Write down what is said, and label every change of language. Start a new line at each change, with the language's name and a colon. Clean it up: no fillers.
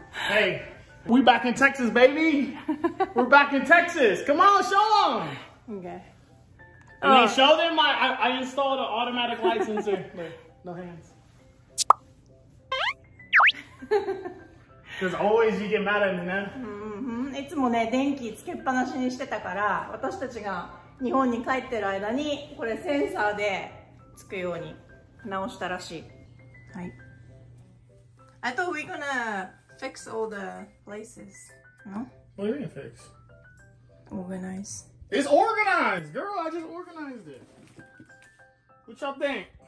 English: Hey, we back in Texas, baby. We're back in Texas. Come on, show them. Okay. I mean, show them I installed an automatic light sensor. Wait, no hands. Because always you get mad at me, man.
Japanese: いつもね電気つけっぱなしにしてたから、私たちが日本に帰ってる間にこれセンサーでつくように直したらしい。はい。
English: I thought we're gonna fix all the places. No. What are you gonna fix? Organize. It's organized, girl. I just organized it. What y'all think?